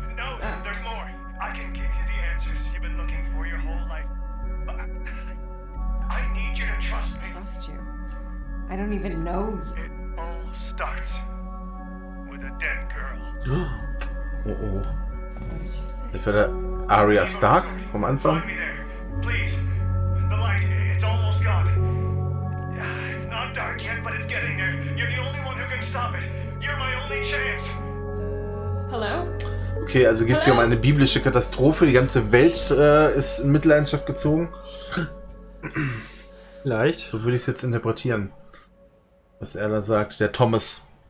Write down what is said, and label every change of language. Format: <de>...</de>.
<en>No, there's more. I can give you the answers you've been looking for your whole life. I need you to trust me. Trust you? I don't even know you. It all starts with a dead girl. Oh. What did you say?</en> <de>Ich war Arya Stark vom Anfang.</de> <en>Find me there. Please. The light, it's almost gone. It's not dark yet, but it's getting there. You're the only one who can stop it. You're my only chance. Hello?</en> <de>Okay, also geht's hier um eine biblische Katastrophe. Die ganze Welt ist in Mitleidenschaft gezogen. Vielleicht. So würde ich es jetzt interpretieren. Was er da sagt, der Thomas.</de>